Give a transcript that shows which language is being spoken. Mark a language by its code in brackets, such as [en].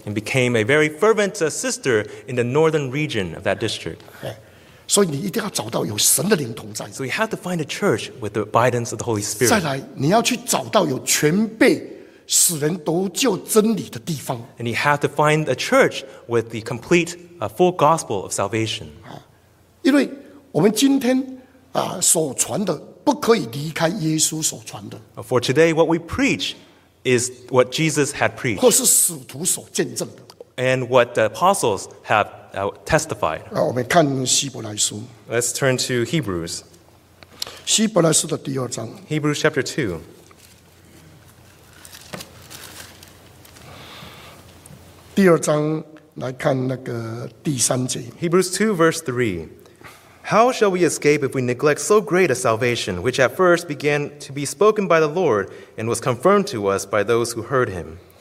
[en] And became a very fervent sister in the northern region of that district. [zh] 所以你一定要找到有神的灵同在。 [en] So you have to find a church with the guidance of the Holy Spirit. [zh] 再来，你要去找到有全备使人得救真理的地方。 [en] And you have to find a church with the complete, full gospel of salvation. [zh] 因为我们今天所传的不可以离开耶稣所传的。 [en] For today, what we preach is what Jesus had preached. [zh] 或是使徒所见证的。 [en] And what the apostles have testified. [zh] 我们看希伯来书。 [en] Let's turn to Hebrews. [zh] 希伯来书的第二章。 [en] Hebrews chapter 2. [zh] 第二章来看那个第三节。 [en] Hebrews 2 verse 3. How shall we escape if we neglect so great a salvation, which at first began to be spoken by the Lord and was confirmed to us by those who heard him?